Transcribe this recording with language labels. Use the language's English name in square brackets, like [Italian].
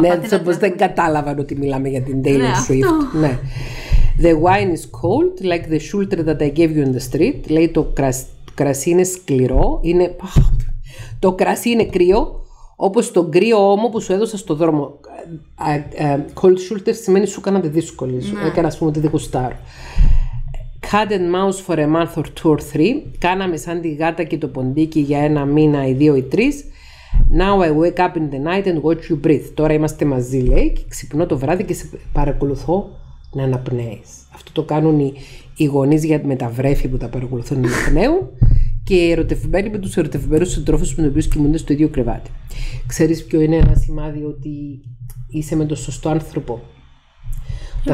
[Greek] Ναι, έτσι όπως δεν κατάλαβαν ότι μιλάμε για την Taylor Swift. Ναι. [English] The wine is cold, like the shoulder that I gave you in the street. [Greek] Λέει το κρασί είναι σκληρό, είναι... Το κρασί είναι κρύο, όπως το κρύο όμο που σου έδωσα στο δρόμο. Cold shoulder σημαίνει σου έκανα τη δύσκολη, σου έκανα ας πούμε τη δικουστάρω. [English] Cat and mouse for a month or two or three. [Greek] Κάναμε σαν τη γάτα και το ποντίκι για ένα μήνα ή δύο ή τρεις. [English] Now I wake up in the night and watch you breathe. [Greek] Τώρα είμαστε μαζί, λέει, και ξυπνώ το βράδυ και σε παρακολουθώ να αναπνέεις. Αυτό το κάνουν οι γονείς με τα βρέφη που τα παρακολουθούν να αναπνέουν και οι ερωτευμένοι με τους ερωτευμένους συντρόφους με τους οποίους κοιμούνται στο ίδιο κρεβάτι. Ξέρεις ποιο είναι ένα σημάδι ότι είσαι με τον σωστό άνθρωπο? Ποιο?